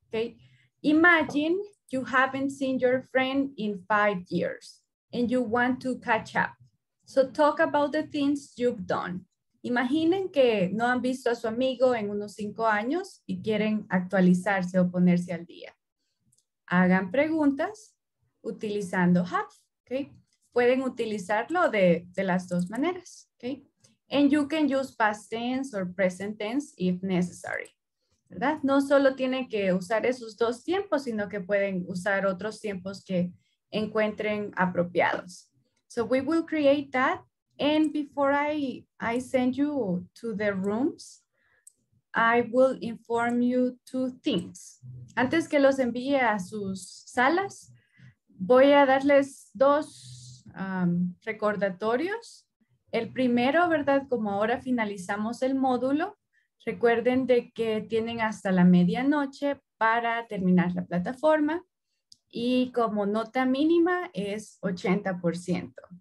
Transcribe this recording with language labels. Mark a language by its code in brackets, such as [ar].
[en] Okay, imagine you haven't seen your friend in 5 years and you want to catch up. So talk about the things you've done. [es] Imaginen que no han visto a su amigo en unos 5 años y quieren actualizarse o ponerse al día. Hagan preguntas utilizando have, okay? Pueden utilizarlo de las dos maneras, okay? [en] And you can use past tense or present tense if necessary. [es] ¿Verdad? No solo tienen que usar esos dos tiempos, sino que pueden usar otros tiempos que encuentren apropiados. [en] So we will create that. And before I send you to the rooms, I will inform you 2 things. [es] Antes que los envíe a sus salas, voy a darles 2 recordatorios. El primero, ¿verdad? Como ahora finalizamos el módulo, recuerden de que tienen hasta la medianoche para terminar la plataforma y como nota mínima es 80%.